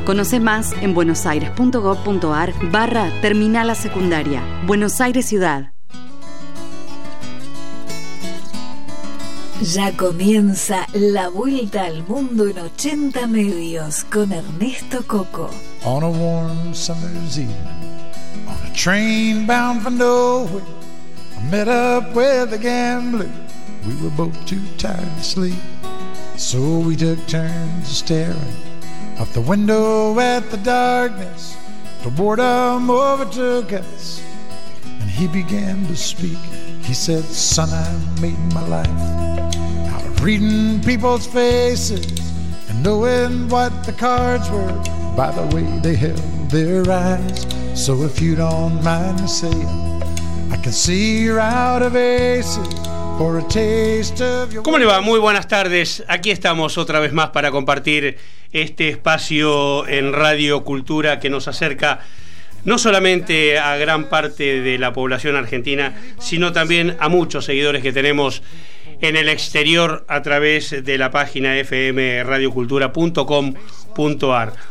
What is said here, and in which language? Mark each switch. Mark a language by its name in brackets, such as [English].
[Spanish] Conoce más en buenosaires.gov.ar/terminalasecundaria. Buenos Aires Ciudad. Ya comienza La Vuelta al Mundo en 80 Medios con Ernesto Coco. [English] On a warm summer's evening, on a train bound for nowhere, I met up with a gambler. We were both too tired to sleep, so we took turns staring out the window at the darkness. The boredom overtook us, and he began to speak. He said, "Son, I've made my life reading people's faces and knowing what the cards were by the way they held their eyes. So if you don't mind me saying, I can see you're out of aces for a taste of your..." [Spanish] ¿Cómo le va? Muy buenas tardes. Aquí estamos otra vez más para compartir este espacio en Radio Cultura que nos acerca no solamente a gran parte de la población argentina, sino también a muchos seguidores que tenemos en el exterior a través de la página fmradiocultura.com.ar.